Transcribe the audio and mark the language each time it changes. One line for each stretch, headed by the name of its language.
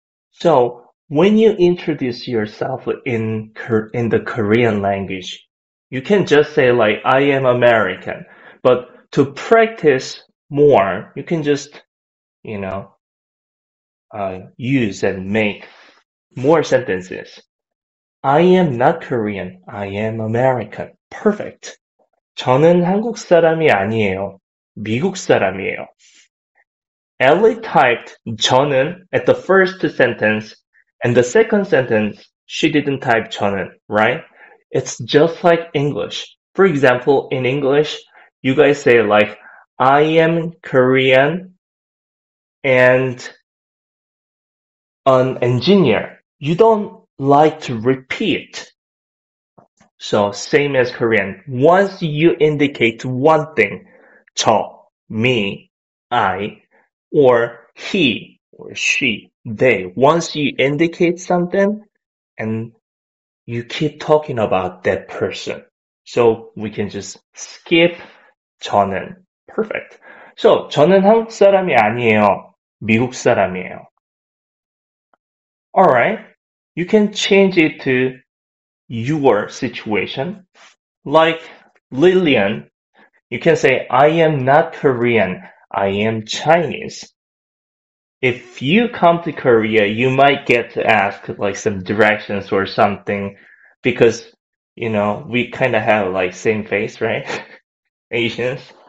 English: So, when you introduce yourself in the Korean language, you can just say like, I am American. But to practice more, you can just, use and make more sentences. I am not Korean. I am American. Perfect.
Korean: 저는 한국 사람이 아니에요. 미국 사람이에요.
English: Ellie typed 저는 at the first sentence and the second sentence, she didn't type 저는, right? It's just like English. For example, in English, you guys say like, I am Korean and an engineer, you don't like to repeat. So same as Korean. Once you indicate one thing, 저, me, I, or he or she, they, once you indicate something and you keep talking about that person. So we can just skip 저는. Perfect.
Korean: So 저는 한국 사람이 아니에요. 미국 사람이에요.
English: All right, you can change it to your situation. Like Lillian, you can say, I am not Korean, I am Chinese. If you come to Korea, you might get to ask like some directions or something because, we kind of have like same face, right? Asians.